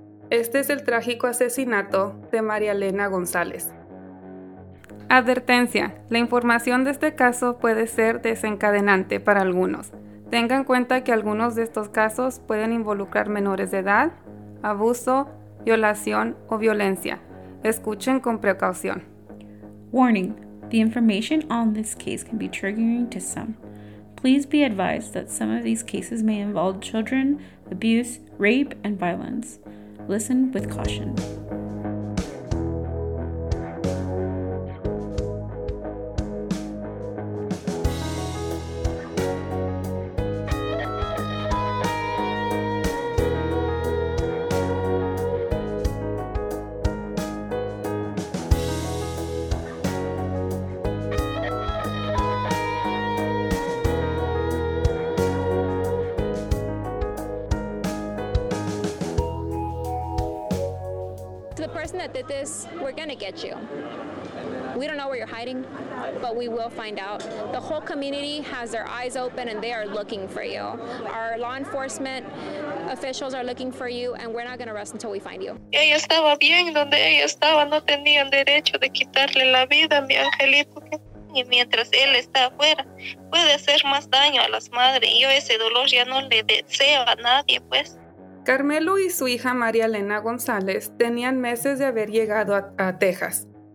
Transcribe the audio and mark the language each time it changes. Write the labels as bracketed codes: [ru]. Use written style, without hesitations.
[es] Este es el trágico asesinato de María Elena González. Advertencia, la información de este caso puede ser desencadenante para algunos. Tenga en cuenta que algunos de estos casos pueden involucrar menores de edad, abuso, violación, o violencia. Escuchen con precaución. [en] Warning, the information on this case can be triggering to some. Please be advised that some of these cases may involve children, abuse, rape, and violence. Listen with caution. Get you. We don't know where you're hiding, but we will find out. The whole community has their eyes open and they are looking for you. Our law enforcement officials are looking for you, and we're not going to rest until we find you. [es] Ella estaba bien donde ella estaba, no tenían derecho de quitarle la vida a mi angelito. Y mientras él está afuera, puede hacer más daño a las madres. Yo ese dolor ya no le deseo a nadie, pues. Carmelo y su hija María Elena González tenían meses de haber llegado a Texas.